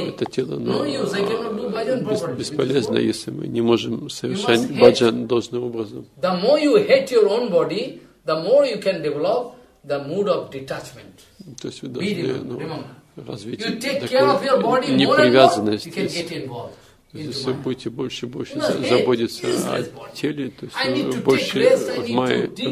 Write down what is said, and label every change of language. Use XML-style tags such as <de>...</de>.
<ru>Это тело, но бесполезно, если мы не можем совершать баджан должным образом.</ru> <en>The more you hate your own body, the more you can develop the mood of detachment.</en> <ru>То есть вы должны развить такую непривязанность. Если вы будете больше и больше заботиться о теле, то есть вы больше в мае</ru>